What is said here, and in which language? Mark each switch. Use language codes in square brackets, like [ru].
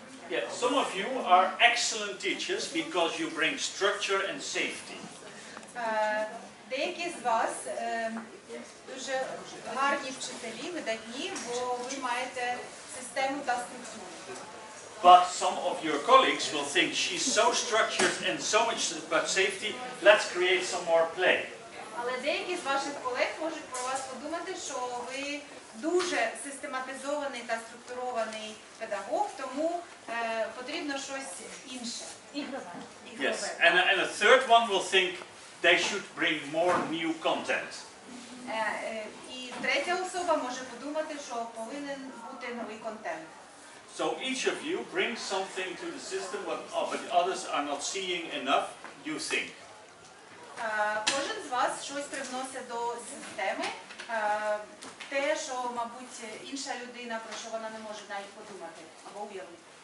[en] Yeah, some of you are excellent teachers because you bring structure and safety. [uk] Деякі з вас дуже гарні вчителі, видатні, бо ви маєте систему та структуру. [en] But some of your colleagues will think she's so structured and so much about safety, let's create some more play. [uk] Але деякі з ваших колег можуть про вас подумати, що ви дуже систематизований та структурований педагог, тому потрібно щось інше. [en] Yes, and a third one will think they should bring more new content. [uk] І третя особа може подумати, що повинен бути новий контент. [en] So each of you brings something to the system, but others are not seeing enough, you think. [uk] Кожен з вас щось привносить до системи, те, що, мабуть, інша людина, про що вона не може навіть подумати або уявити.